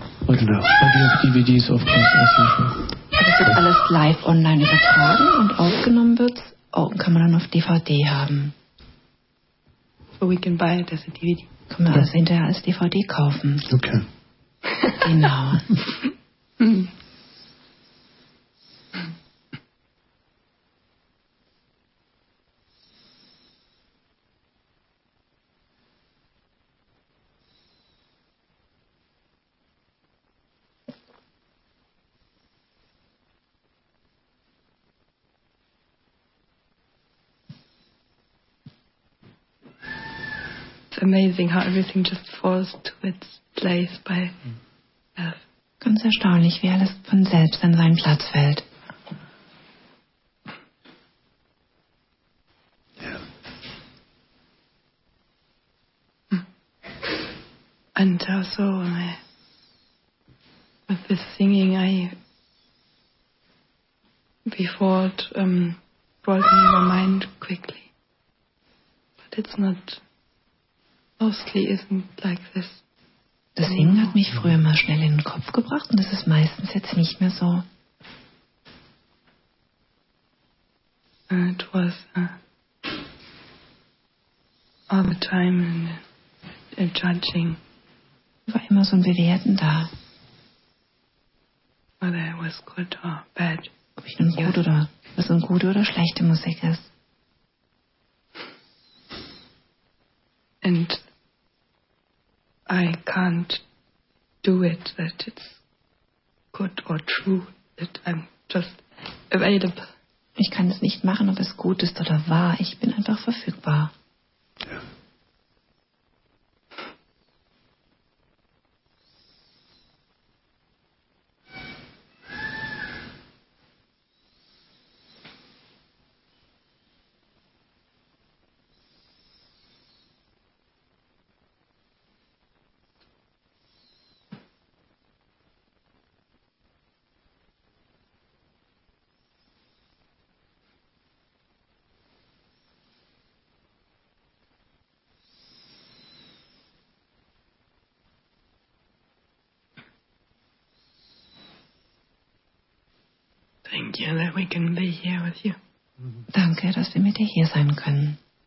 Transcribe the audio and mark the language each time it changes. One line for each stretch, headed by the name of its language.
English: But we have DVDs, of course, as usual.
German: Es wird alles live online übertragen und aufgenommen wird, kann man dann auf DVD haben.
English: So we can buy it as a DVD.
German: Kann man das hinterher als DVD kaufen.
English: Okay.
German: Genau.
English: Amazing how everything just falls to its place by self.
German: Ganz erstaunlich, wie alles von selbst an seinen Platz fällt.
English: Yeah. And also with this singing, before it brought me my mind quickly. But it's not. Mostly isn't like this.
German: Das Singen hat mich früher mal schnell in den Kopf gebracht und das ist meistens jetzt nicht mehr so.
English: It was all the time in judging.
German: War immer so ein Bewerten da.
English: Whether it was good or bad.
German: Ob ich nun gut oder was so gute oder schlechte Musik ist.
English: And I can't do it, that it's good or true, that I'm just available.
German: Ich kann es nicht machen, ob es gut ist oder wahr. Ich bin einfach verfügbar.
English: Thank you that we can be here with you. Mm-hmm.
German: Danke, dass wir mit dir hier sein können.